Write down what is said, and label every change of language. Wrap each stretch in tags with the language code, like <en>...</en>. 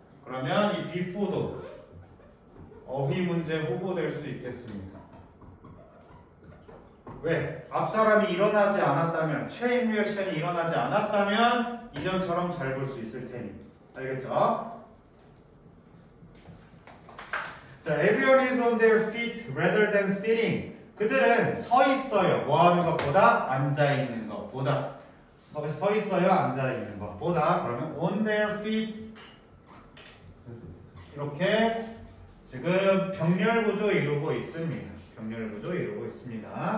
<ko>그러면 이 before도 어휘 문제 후보될 수 있겠습니다. 왜? 앞 사람이 일어나지 않았다면, 체인 리액션이 일어나지 않았다면 이전처럼 잘 볼 수 있을 테니. 알겠죠?</ko> <en>자, everyone is on their feet rather than sitting.</en> <ko>그들은 서 있어요. 뭐 하는 것보다? 앉아 있는 것보다. 서 있어요, 앉아 있는 것보다.</ko> <en>그러면 on their feet.</en> <ko>이렇게 지금 병렬 구조 이루고 있습니다. 병렬 구조 이루고 있습니다.</ko>